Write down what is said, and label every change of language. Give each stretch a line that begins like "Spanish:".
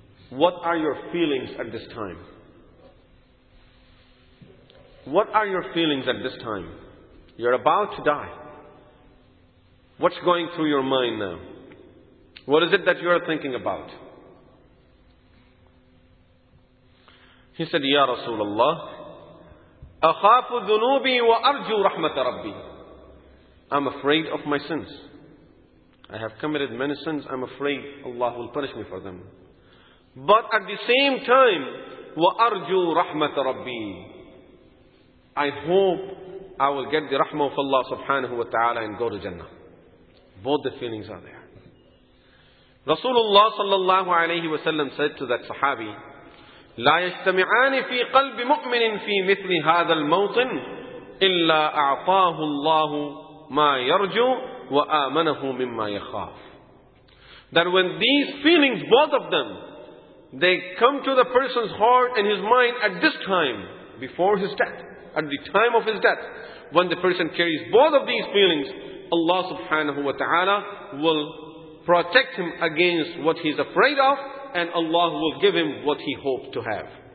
English: What are your feelings at this time? What are your feelings at this time? You're about to die. What's going through your mind now? What is it that you are thinking about? He said,
Arabic: Ya Rasulullah, أَخَافُ ذُنُوبِي وَأَرْجُو رَحْمَةَ رَبِّي.
English: I'm afraid of my sins. I have committed many sins. I'm afraid Allah will punish me for them. But at the same time,
Arabic: وَأَرْجُو رَحْمَةَ رَبِّي.
English: I hope I will get the rahmah of Allah subhanahu wa ta'ala and go to Jannah. Both the feelings are there. Rasulullah sallallahu alayhi wa sallam said to that sahabi,
Arabic: لا يجتمعان في قلب مؤمن في مثل هذا الموطن إلا أعطاه الله ما يرجو وآمنه مما يخاف.
English: That when these feelings, both of them, they come to the person's heart and his mind at this time, before his death, at the time of his death, when the person carries both of these feelings, Allah subhanahu wa ta'ala will protect him against what he's afraid of, and Allah will give him what he hoped to have.